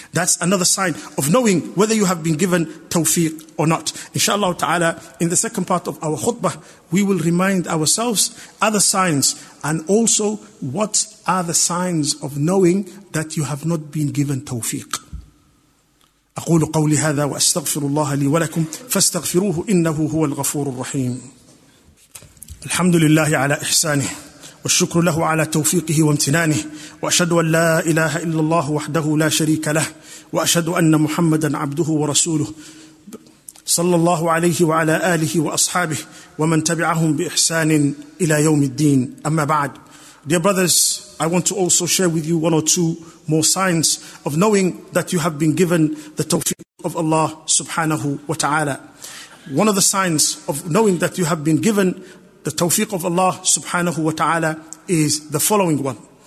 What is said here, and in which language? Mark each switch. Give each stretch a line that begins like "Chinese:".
English: That's another sign of knowing whether you have been given tawfiq or not. Inshallah ta'ala, in the second part of our khutbah, we will remind ourselves other signs and also what are the signs of knowing that you have not been given tawfiq.
Arabic: أقول قولي هذا وأستغفر الله لي ولكم فاستغفروه إنه هو الغفور الرحيم. الحمد لله على إحسانه والشكر له على توفيقه وامتنانه وأشهد أن لا إله إلا الله وحده لا شريك له وأشهد أن محمدا عبده ورسوله صلى الله عليه وعلى آله وأصحابه ومن تبعهم بإحسان إلى يوم الدين أما بعد.
English: Dear brothers, I want to also share with you one or two more signs of knowing that you have been given the tawfiq of Allah subhanahu wa ta'ala. One of the signs of knowing that you have been given the tawfiq of Allah subhanahu wa ta'ala is the following one.